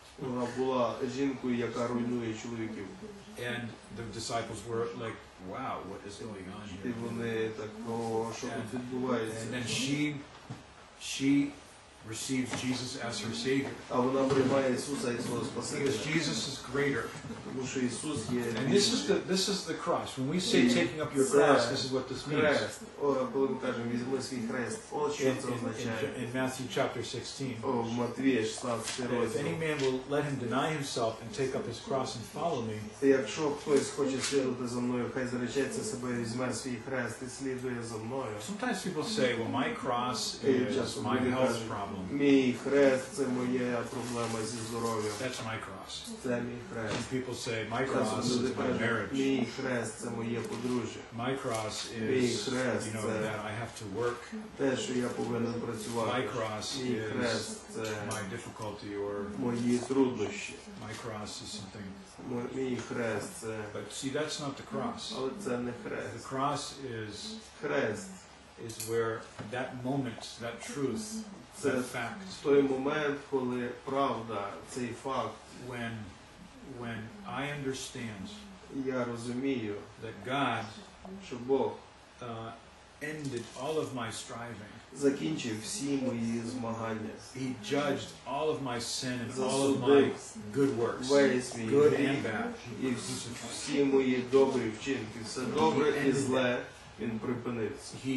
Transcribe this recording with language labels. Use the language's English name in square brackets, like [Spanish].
[Ukrainian] Вона була жінкою, яка руйнує чоловіків. [English] And the disciples were like, wow, what is going on here? [Ukrainian] І вони так, о, що тут відбувається? [English] And then she receives Jesus as her Savior. [Ukrainian] А вона приймає Ісуса як свого Спасителя. [English] Because Jesus is greater. [Ukrainian] Тому що Ісус є. [English] And this is the cross. When we say taking up your cross, this is what this means. [Ukrainian] Коли ми кажемо, візьми свій хрест. От що це означає. [English] In Matthew chapter 16. [Ukrainian] В Матвія 16 розділ. [English] If any man will let him deny himself and take up his cross and follow me. [Ukrainian] Якщо хтось хоче слідувати за мною, хай заречеться себе, візьме свій хрест і слідує за мною. [English] Sometimes people say, well, my cross is my health problem. [Ukrainian] Мій хрест – це моя проблема зі здоров'ям. [English] That's my cross. [Ukrainian] Це мій хрест. [English] Some people say, my cross is my marriage. [Ukrainian] Мій хрест – це моє подружжя. [English] My cross is, you know, that I have to work. [Ukrainian] Те, що я повинен працювати. [English] My cross is my difficulty or [Ukrainian] мої труднощі. [English] My cross is something. [Ukrainian] Мій хрест – це. [English] But see, that's not the cross. [Ukrainian] Але це не хрест. [English] The cross is [Ukrainian] хрест. [English] Is where that moment, that truth, [Ukrainian] це той момент, коли правда, цей факт, [English] when I understand, [Ukrainian] я розумію, [English] that God, [Ukrainian] що Бог, [English] ended all of my striving, [Ukrainian] закінчив всі мої змагання. [English] He judged all of my sin and all of my good works, good and bad. [Ukrainian] І всі мої добрі вчинки, все добре і зле, він припинився.